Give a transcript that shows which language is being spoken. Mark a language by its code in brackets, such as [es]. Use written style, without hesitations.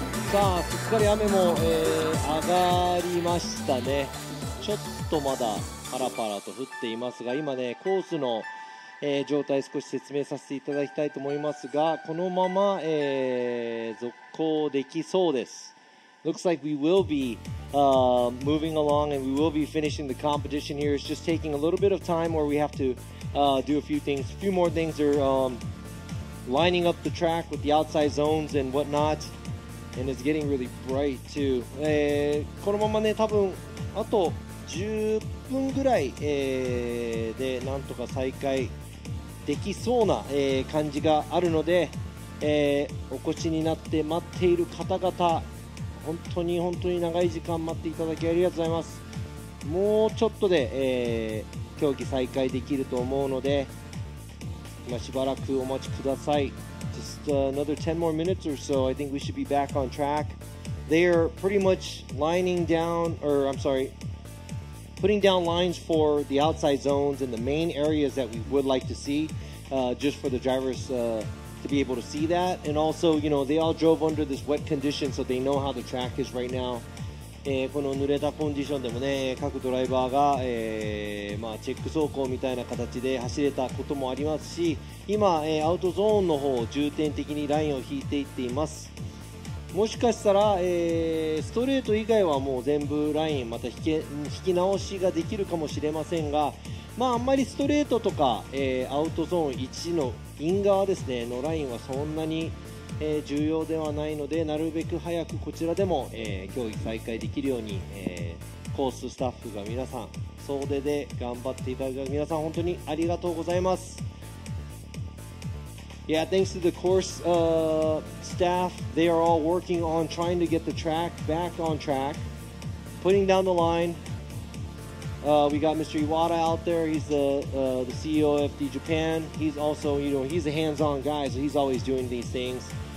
[ja] さあ、すっかり雨も、上がりましたね。ちょっとまだパラパラと降っていますが、今ね、コースの、状態少し説明させていただきたいと思いますが、このまま、続行できそうです。 [en] Looks like we will be moving along and we will be finishing the competition here. It's just taking a little bit of time where we have to do a few things. A few more things are lining up the track with the outside zones and whatnot. And it's getting really bright too. [ja] このままね、多分あと10分ぐらい、でなんとか再開できそうな、感じがあるので、お越しになって待っている方々、本当に本当に長い時間待っていただきありがとうございます。もうちょっとで、競技再開できると思うので今しばらくお待ちください。 [en] Just another 10 more minutes or so, I think we should be back on track. They are pretty much lining down, or I'm sorry, putting down lines for the outside zones and the main areas that we would like to see, just for the drivers to be able to see that. And also, you know, they all drove under this wet condition, so they know how the track is right now. [ja] この濡れたコンディションでもね、各ドライバーが、まあ、チェック走行みたいな形で走れたこともありますし、今、アウトゾーンの方を重点的にラインを引いていっています。もしかしたら、ストレート以外はもう全部ラインまた引き直しができるかもしれませんが、まあ、あんまりストレートとか、アウトゾーン1のイン側ですねのラインはそんなに、重要ではないので、なるべく早くこちらでも、競技再開できるように、コーススタッフが皆さん総出で頑張っていただく皆さん本当にありがとうございます。 [en] Yeah, thanks to the course staff, they are all working on trying to get the track back on track, putting down the lineWe got Mr. Iwata out there. He's the CEO of FD Japan. He's also, you know, he's a hands-on guy, so he's always doing these things.